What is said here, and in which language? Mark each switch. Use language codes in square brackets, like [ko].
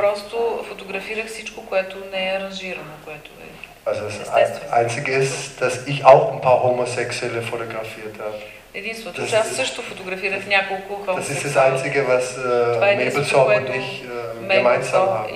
[bg] Просто фотографирах всичко, което не е аранжирано, което е. [de] Also das Einzige ist, dass ich auch ein paar Homosexuelle fotografiert habe. [bg] Единството, че аз също фотографирах няколко хора. Това е [de] das Einzige, was Mebelsorb und ich gemeinsam haben.